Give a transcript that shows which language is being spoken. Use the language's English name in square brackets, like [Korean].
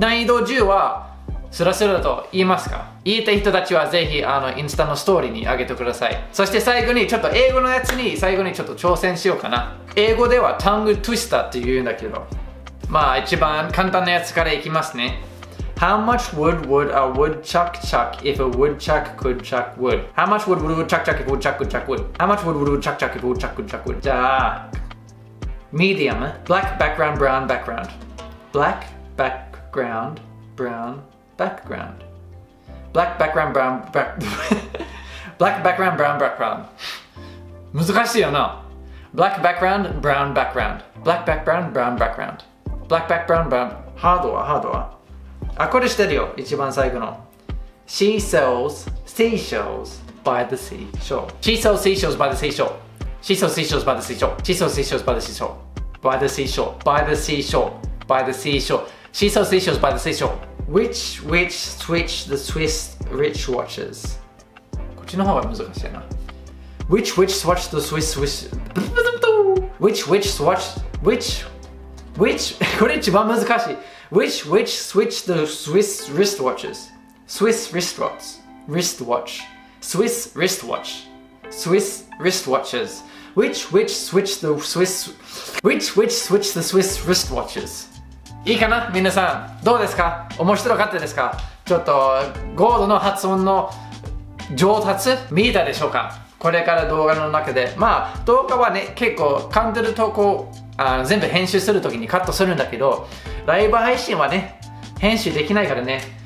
[Japanese] 難易度10は、スラスラと言いますか。言いたい人たちはぜひインスタのストーリーに上げてください。そして最後にちょっと英語のやつに最後にちょっと挑戦しようかな。英語ではタングトゥイスターって言うんだけど、まあ一番簡単なやつからいきますね。 [English] How much wood would a woodchuck chuck if a woodchuck could chuck wood? How much wood would a woodchuck chuck if a woodchuck could chuck wood? How much wood would a woodchuck chuck if a woodchuck could chuck wood? [Japanese] じゃあ [English] Medium Black background brown background Black background brown backgroundBlack background brown back... Black background brown background [Japanese] 難しいよな。 [English] Black background brown background Black background brown background Black background brown Hard one, hard one. [Japanese] あ、これしてるよ、一番最後の。 [English] She sells seashells by the seashore. She sells seashells by the seashore. She sells seashells by the seashore. She sells seashells by the seashore. By the seashore. By the seashore. By the seashore. She sells seashells by the seashore. Which switch the Swiss rich watches? [Japanese] こっちの方が難しいな。 [English] Which switch the Swiss rich Which switch Which Which [Japanese] これ一番難しい。 [English] Which switch the Swiss wrist watches? Swiss wrist watch Wrist watch Swiss wrist watch Swiss wrist watches Which switch the Swiss Which switch the Swiss wrist watches? [Japanese] いいかな皆さん、どうですか、面白かったですか。ちょっとゴードの発音の上達見えたでしょうか。これから動画の中で、まあ動画はね結構噛んでるとこ全部編集するときにカットするんだけど、ライブ配信はね編集できないからね。